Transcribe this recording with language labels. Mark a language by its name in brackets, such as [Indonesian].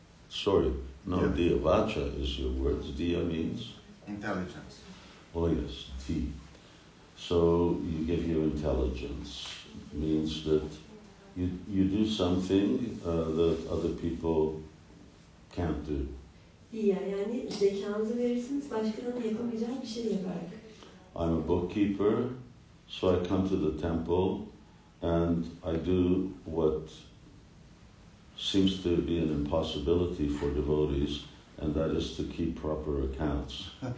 [English] Sorry, no, yeah. Dhiya vacha is your words. Dhiya means? Intelligence. Oh yes, dhi. So you give your intelligence. Means that you do something that other people can't do. [Turkish] Dhiya, yani zekanızı verirsiniz, başkanın yapamayacağı bir şey yaparak. [English] I'm a bookkeeper, so I come to the temple and I do what seems to be an impossibility for devotees, and that is to keep proper accounts.